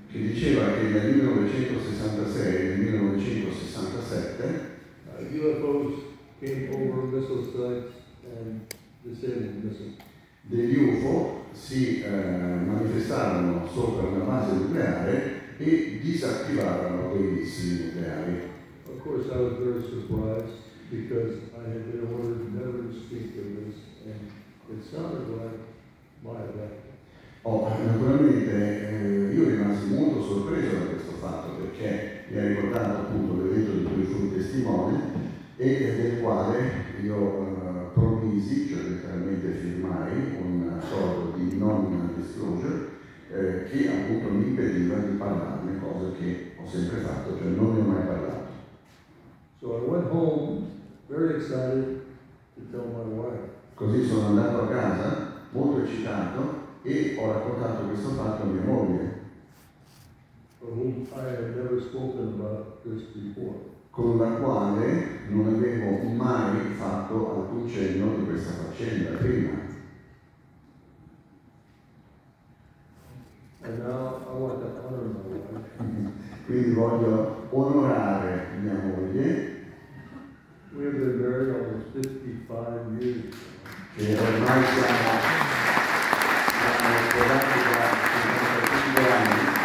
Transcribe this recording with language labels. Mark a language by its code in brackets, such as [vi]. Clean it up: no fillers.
[it] and 1967, che diceva che nel 1966 e nel 1967 [en] UFOs came over missile sites and disabled missiles. [it] Degli UFO si manifestarono sopra una base nucleare e disattivarono dei missili nucleari. [en] Of course I was very surprised because I had been ordered never to speak of this and it sounded like my event. [it] Oh, naturalmente io rimasi molto sorpreso da questo fatto perché mi ha ricordato appunto l'evento di cui fui testimone e del quale io promisi, cioè letteralmente firmai un accordo di non disclosure che appunto mi impediva di parlarne, cosa che ho sempre fatto, cioè non ne ho mai parlato. [en] So I went home very excited to tell my wife. [it] Così sono andato a casa molto eccitato e ho raccontato questo fatto a mia moglie, [en] for whom I had never spoken about this before. [it] Con la quale non avevo mai fatto alcun cenno di questa faccenda prima. [en] And now I want to honor my wife. [it] Quindi voglio onorare mia moglie. [en] We have been married almost 55 years. [it] E ormai siamo sposati da 55 anni.